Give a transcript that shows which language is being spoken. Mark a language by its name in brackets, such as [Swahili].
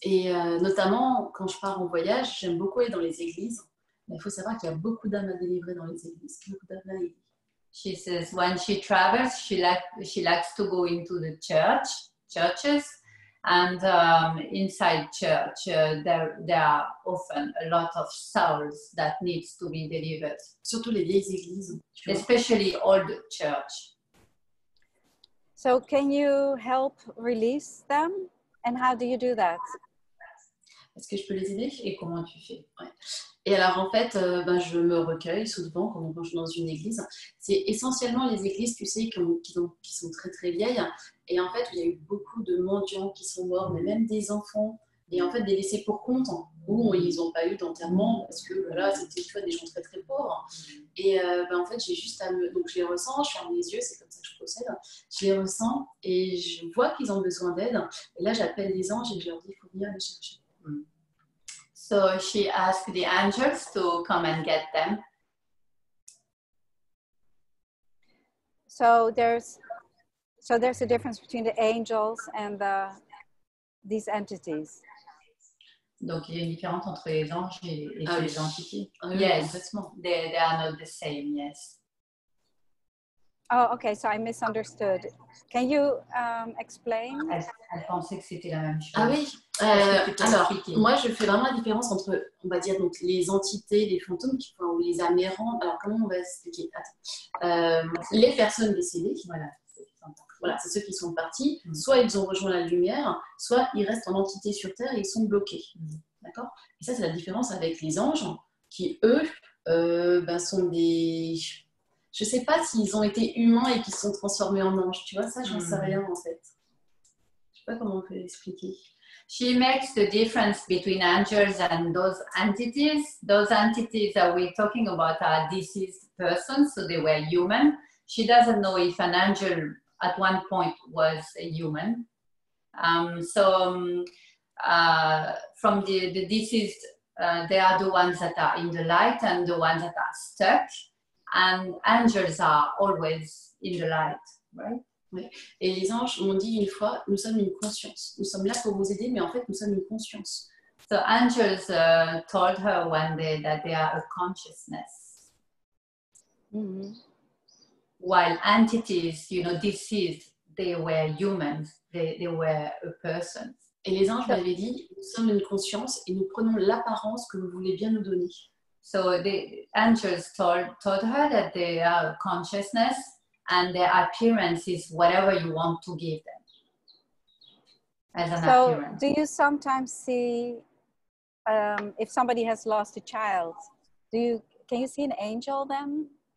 [French] Et notamment, quand je pars en voyage, j'aime beaucoup aller dans les églises. Mais il faut savoir qu'il y a beaucoup d'âmes à délivrer dans les églises. Beaucoup d'âmes à délivrer. [English] She says, when she travels, she likes to go into the churches. And inside church, there are often a lot of souls that need to be delivered. [French] Surtout les vieilles églises. [English] Especially old church. So can you help release them? And how do you do that? [French] Est-ce que je peux les aider? Et comment tu fais? Ouais. Et alors, en fait, je me recueille souvent quand je suis dans une église. C'est essentiellement les églises, tu sais, qui sont très, très vieilles. Et en fait, il y a eu beaucoup de mendiants qui sont morts, mais même des enfants. Et en fait, des laissés pour compte, où ils n'ont pas eu d'enterrement, parce que voilà, c'était tu vois, des gens très très pauvres. Et en fait, j'ai juste à me... Donc je les ressens, je ferme les yeux, c'est comme ça que je procède. Je les ressens et je vois qu'ils ont besoin d'aide. Et là, j'appelle les anges et je leur dis, il faut venir les chercher. [English] So she asked the angels to come and get them. So there's a difference between the angels and these entities. [French] Donc il y a une différence entre les anges et les entités. [English] Yes, [French] complètement. [English] They are not the same. Yes. Oh, okay. So I misunderstood. Can you explain? [French] Elle pensait que c'était la même chose. Ah oui. Moi je fais vraiment la différence entre, on va dire, donc les entités, les fantômes qui ou les âmes errantes. Alors comment on va expliquer? Les personnes décédées, voilà. Voilà, c'est ceux qui sont partis. Soit ils ont rejoint la lumière, soit ils restent en entité sur Terre et ils sont bloqués. D'accord? Et ça, c'est la différence avec les anges, qui, eux, sont des... Je ne sais pas s'ils ont été humains et qu'ils se sont transformés en anges. Tu vois, ça, je n'en sais rien, en fait. Je ne sais pas comment on peut l'expliquer. [English] She makes the difference between angels and those entities. Those entities that we're talking about are deceased persons, so they were human. She doesn't know if an angel... at one point was a human. From the deceased, they are the ones that are in the light and the ones that are stuck. And angels are always in the light, right? [French] Oui. Et les anges m'ont dit une fois, nous sommes une conscience. Nous sommes là pour vous aider, mais en fait, nous sommes une conscience. [English] So angels told her one day that they are a consciousness. Mm-hmm. While entities, you know, deceased, they were humans, they were a person. [French] Et les anges m'avaient dit, nous sommes une conscience et nous prenons l'apparence que vous voulez bien nous donner. [English] So the angels told her that they are a consciousness and their appearance is whatever you want to give them. As an appearance. So do you sometimes see, if somebody has lost a child, can you see an angel then?